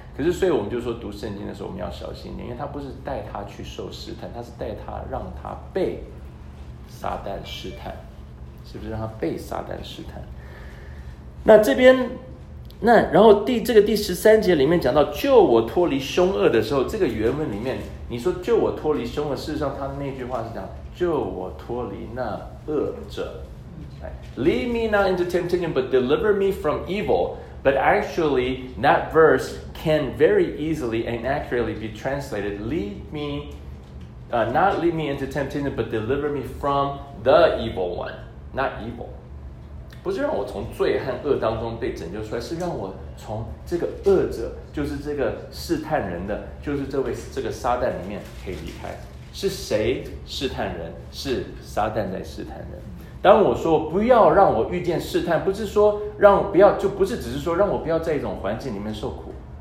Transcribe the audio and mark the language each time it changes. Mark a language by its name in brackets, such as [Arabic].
[Chinese] 可是所以我们就说读圣经的时候我们要小心一点，因为他不是带他去受试探，他是带他让他被撒旦试探，是不是让他被撒旦试探？那这边那然后第十三节里面讲到救我脱离凶恶的时候，这个原文里面你说救我脱离凶恶，事实上他那句话是讲救我脱离那恶者。 [English] Lead me not into temptation, but deliver me from evil. But actually, that verse can very easily and accurately be translated, lead me, not lead me into temptation, but deliver me from the evil one. Not evil. [Chinese] 不是让我从罪和恶当中被拯救出来，是让我从这个恶者，就是这个试探人的，就是这个撒旦里面可以离开。是谁试探人？是撒旦在试探人。当我说不要让我遇见试探，不是说让不要，就不是只是说让我不要在一种环境里面受苦。